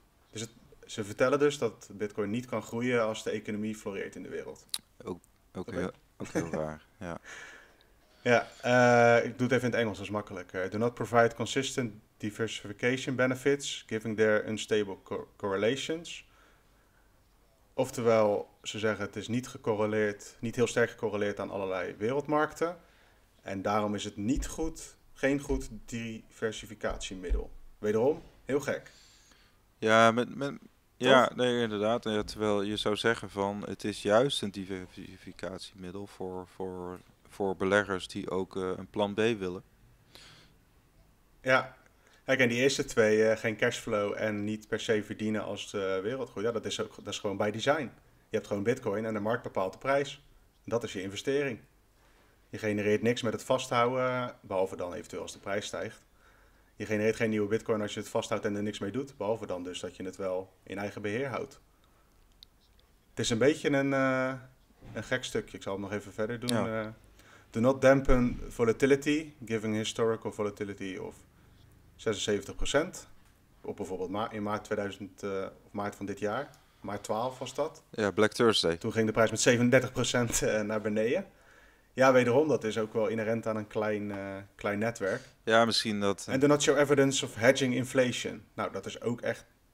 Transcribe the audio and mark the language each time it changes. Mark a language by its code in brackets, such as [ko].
[nl] Dus ze vertellen dus dat bitcoin niet kan groeien als de economie floreert in de wereld. Oké. Ook heel raar, ja. Ja, ik doe het even in het Engels, dat is makkelijk. [en] Do not provide consistent diversification benefits, giving their unstable correlations. [nl] Oftewel, ze zeggen het is niet gecorreleerd, niet heel sterk gecorreleerd aan allerlei wereldmarkten. En daarom is het niet goed, geen goed diversificatiemiddel. Wederom, heel gek. Ja, ja, nee, inderdaad. Ja, terwijl je zou zeggen van het is juist een diversificatiemiddel voor beleggers die ook een plan B willen. Ja, kijk, en die eerste twee, geen cashflow en niet per se verdienen als de wereld groeit. Ja, dat is gewoon by design. Je hebt gewoon bitcoin en de markt bepaalt de prijs. Dat is je investering. Je genereert niks met het vasthouden, behalve dan eventueel als de prijs stijgt. Je genereert geen nieuwe bitcoin als je het vasthoudt en er niks mee doet. Behalve dan dus dat je het wel in eigen beheer houdt. Het is een beetje een gek stukje. Ik zal het nog even verder doen. Ja. [en] Do not dampen volatility, giving historical volatility of 76%. [nl] op bijvoorbeeld in maart 2000, of maart van dit jaar, maart 12 was dat. Ja, Black Thursday. Toen ging de prijs met 37% naar beneden. Ja, wederom, dat is ook wel inherent aan een klein netwerk. Ja, misschien dat... En [en] do not show evidence of hedging inflation. [nl] Nou, dat is ook echt...